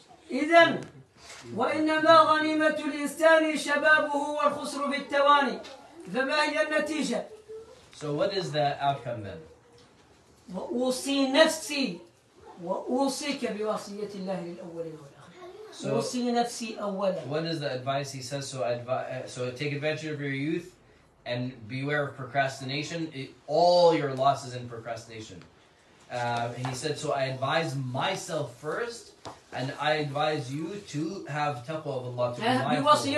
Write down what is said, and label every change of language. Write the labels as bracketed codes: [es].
[ar] إذا وإنما غنيمة الإنسان شبابه والخسر بالتواني. فما هي النتيجة؟ [en] So what is the outcome then? [ar] وأوصي نفسي وأوصيك بوصية الله للأولين والآخرين. So أوصي نفسي أولا. [en] What is the advice he says? So take advantage of your youth. And beware of procrastination. All your losses in procrastination. He said, so I advise myself first, and I advise you to have taqwa of Allah, to be mindful.